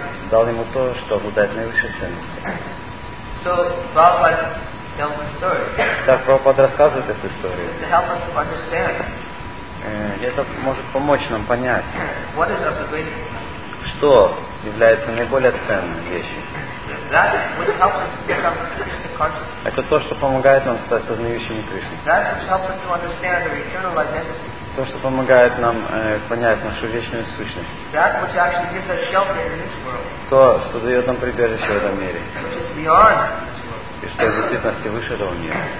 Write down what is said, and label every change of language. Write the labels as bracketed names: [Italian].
[Russian] Дал ему то, что обладает наивысшей ценностью. [English] So Prabhupada tells a story. [Russian] Prabhupada рассказывает эту историю. [English] To help us to understand. [Russian] Это может помочь нам понять. [English] What is of the greatest? [Russian] Что является наиболее ценной вещью? [English] That which helps us to become Krishna conscious. [Russian] Это то, что помогает нам стать сознающими Кришны. [English] That which helps us to understand our eternal identity. [Russian] То, что помогает нам понять нашу вечную сущность. [English] That which actually gives us shelter in this world. [Russian] То, что дает нам прибежище в этом мире. И что в действительности выше этого мира.